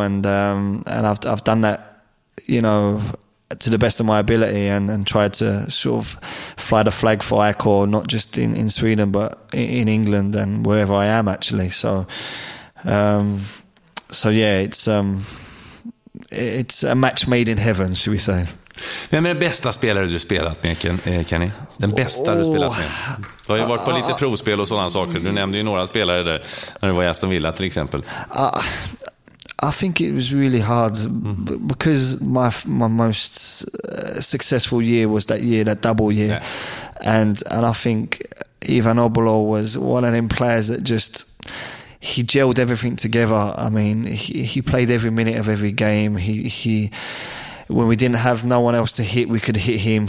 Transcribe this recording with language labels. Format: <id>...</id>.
<en>And I've done that, you know, to the best of my ability, and tried to sort of fly the flag for AIK, not just in Sweden, but in England and wherever I am actually. So yeah, it's a match made in heaven, should we say.</en> <sv>Vem är den bästa spelare du spelat med, Kenny? Den bästa du spelat med? Du har ju varit på lite provspel och sådana saker. Du nämnde ju några spelare där när du var i Aston Villa till exempel.</sv> <en>I think it was really hard because my most successful year was that year, that double year. Yeah. And I think Ivan Obolo was one of them players that just, he gelled everything together. I mean, he played every minute of every game. He when we didn't have no one else to hit, we could hit him.</en>